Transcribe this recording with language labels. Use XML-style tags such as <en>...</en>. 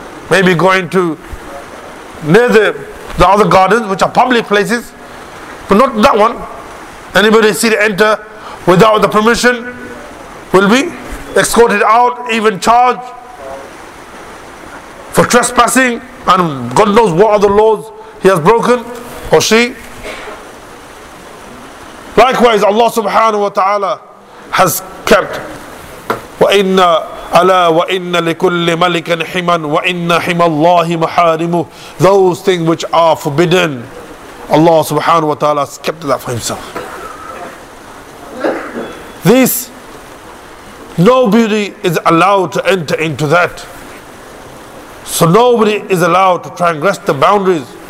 <en>Maybe going to near the other gardens, which are public places, but not that one. Anybody see to enter without the permission will be escorted out, even charged for trespassing, and God knows what other laws he has broken, or she. Likewise, Allah subhanahu wa ta'ala has kept,</en> <ar>وَإِنَّ لِكُلِّ مَلِكًا حِمًا وَإِنَّ حِمَ اللَّهِ مَحَارِمُ.</ar> <en>Those things which are forbidden, Allah subhanahu wa ta'ala has kept that for himself. This, nobody is allowed to enter into that. So nobody is allowed to transgress the boundaries.</en>